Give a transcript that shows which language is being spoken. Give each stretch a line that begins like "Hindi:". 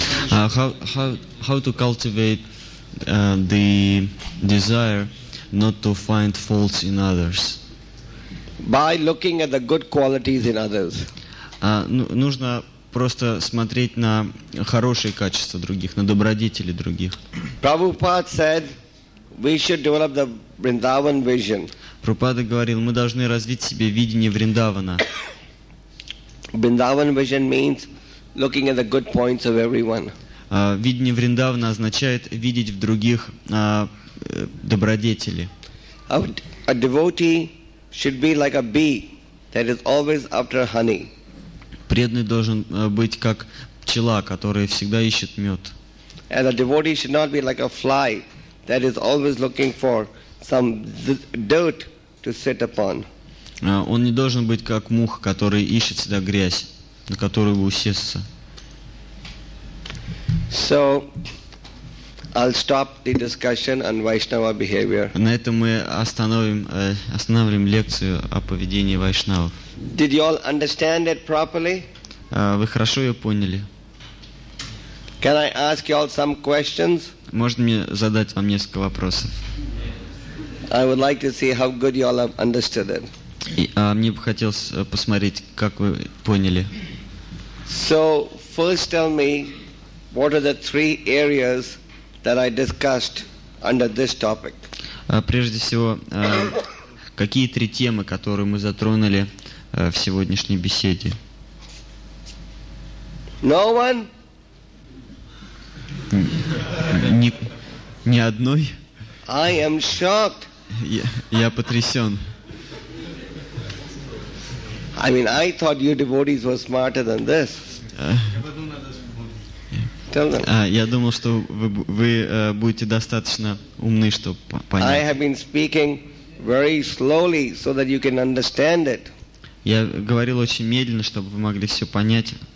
English: How to cultivate the desire not to find faults in others? By looking at the good qualities in others.
Russian: Нужно просто смотреть на хорошие качества других, на добродетели других.
English: Prabhupada said, we should develop the Vrindavan vision.
Russian: Прабхупада говорил, мы должны развить себе видение Вриндавана.
English: Vrindavan vision means looking at the good points of everyone.
Russian: Видение Вриндавана означает видеть в других добродетели.
English: A devotee should be like a bee that is always after honey.
Russian: Преданный должен быть как пчела, которая всегда ищет мед.
English: And a devotee should not be like a fly that is always looking for some dirt to sit upon.
Russian: Он не должен быть как муха, которая ищет всегда грязь, на которую бы усесться.
English: So, I'll stop the discussion on Vaishnava behavior.
Russian: На этом мы останавливаем лекцию о поведении вайшнавов.
English: Did you all understand it properly?
Russian: Вы хорошо ее поняли?
English: Can I ask you all some questions?
Russian: Можно мне задать вам несколько вопросов?
English: I would like to see how good you all have understood it.
Russian: Мне бы хотелось посмотреть, как вы поняли.
English: So, first tell me, what are the three areas that I discussed under this topic?
Russian: Прежде всего, какие три темы, которые мы затронули в сегодняшней беседе?
English: No one?
Russian: Ни одной?
English: I am shocked.
Russian: Я потрясен.
English: I mean, I thought you devotees were smarter than this. Tell them.
Russian: Я думал, что вы будете достаточно умны, чтобы понять.
English: I have been speaking very slowly so that you can understand it.
Russian: Я говорил очень медленно, чтобы вы могли все понять.